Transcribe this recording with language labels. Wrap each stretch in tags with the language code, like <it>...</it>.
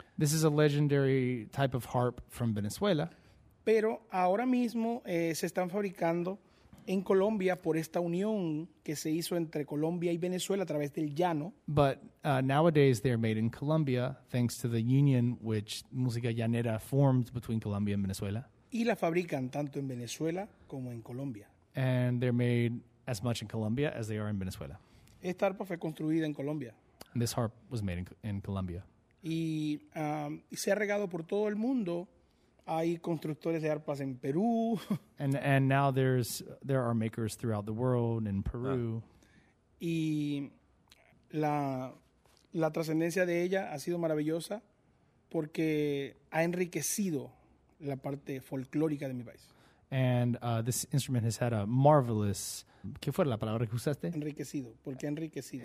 <en>This is a legendary type of harp from Venezuela.</en> <es>Pero ahora mismo se están fabricando en Colombia por esta unión que se hizo entre Colombia y Venezuela a través del llano.</es> <en>But nowadays they're made in Colombia thanks to the union which música llanera formed between Colombia and Venezuela.</en> <es>Y la fabrican tanto en Venezuela como en Colombia.</es> <en>And they're made as much in Colombia as they are in Venezuela.</en> <es>Esta arpa fue construida en Colombia.</es> <en>And this harp was made in Colombia.</en> <es>Y se ha regado por todo el mundo. Hay constructores de arpas en Perú.</es> <en>And now there are makers throughout the world in Peru.</en> <es>Y la trascendencia de ella ha sido maravillosa porque ha enriquecido la parte folclórica de mi país.</es> <en>And this instrument has had a marvelous,</en> <es>¿qué fue la palabra que usaste? Enriquecido, porque enriquecido.</es>